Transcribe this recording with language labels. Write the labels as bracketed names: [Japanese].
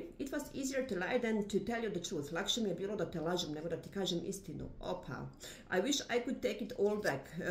[English] It was easier to lie than to tell you the truth. [Serbian] Lakše mi je bilo da te lažem nego da ti kažem istinu. Opa. [English] I wish I could take it all back.